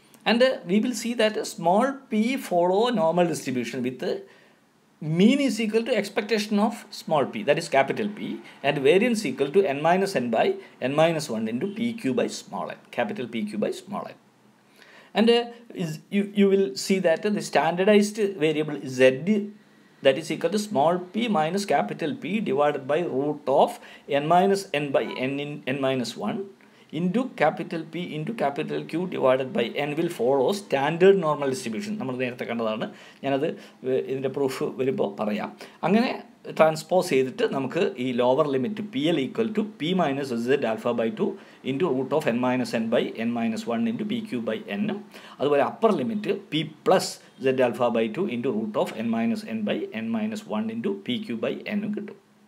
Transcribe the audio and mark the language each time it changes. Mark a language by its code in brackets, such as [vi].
[en] And we will see that small p follow normal distribution with mean is equal to expectation of small p, that is capital P, and variance equal to n minus n by n minus one into p Q by small n, capital P Q by small n. And you will see that the standardised variable is z that is equal to small p minus capital P divided by root of n minus n by n in n minus 1 into capital P into capital Q divided by n will follow standard normal distribution. [ml] നമ്മൾ നേരത്തെ കണ്ടതാണ്. ഞാനത് ഇതിൻ്റെ proof വരുമ്പോൾ പറയാം. അങ്ങനെ transpose ചെയ്തിട്ട് നമുക്ക് ഈ [en] lower limit p l equal to p minus z alpha by two into root of n minus n by n minus one into p q by [ml] എന്നും അതുപോലെ [en] upper limit p plus z alpha by two into root of n minus n by n minus one into p q by [ml] എന്നും കിട്ടും.